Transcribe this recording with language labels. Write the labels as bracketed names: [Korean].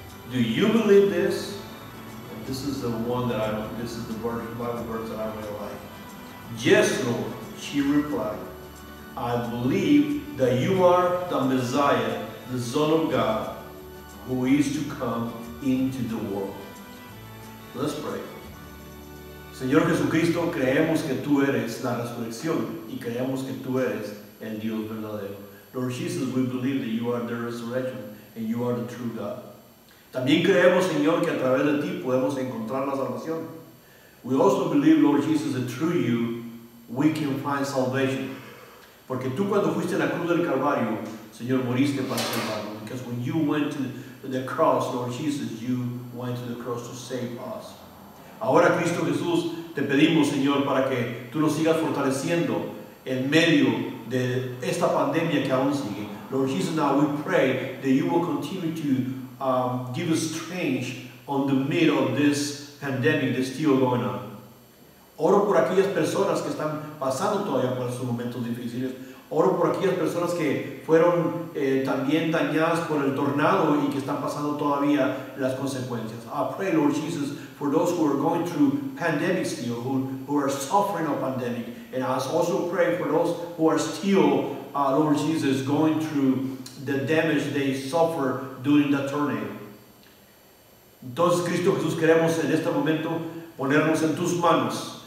[English] Do you believe this?" And this is the one that I, this is the Bible verse that I really like. "Yes, Lord," she replied. "I believe that you are the Messiah, the Son of God, who is to come into the world." Let's pray. [Spanish] Señor Jesucristo, creemos que tú eres la resurrección y creemos que tú eres el Dios verdadero. [English] Lord Jesus, we believe that you are the resurrection and you are the true God. [Spanish] También creemos, Señor, que a través de ti podemos encontrar la salvación. [English] We also believe, Lord Jesus, that through you we can find salvation. [Spanish] Porque tú cuando fuiste a la cruz del Calvario, Señor, moriste para salvarnos. [English] Because when you went to the cross, Lord Jesus, you went to the cross to save us. [Spanish] Ahora, Cristo Jesús, te pedimos, Señor, para que tú nos sigas fortaleciendo en medio de esta pandemia que aún sigue. [English] Lord Jesus, now we pray that you will continue to give us strength on the middle of this pandemic that's still going on. [Spanish] Oro por aquellas personas que están pasando todavía por sus momentos difíciles. Oro por aquellas personas que fueron también dañadas por el tornado y que están pasando todavía las consecuencias. [English] I pray, Lord Jesus, for those who are going through pandemics still, who are suffering a pandemic. And I also pray for those who are still, Lord Jesus, going through the damage they suffer during the tornado. [Spanish] Entonces, Cristo Jesús, queremos en este momento ponernos en tus manos.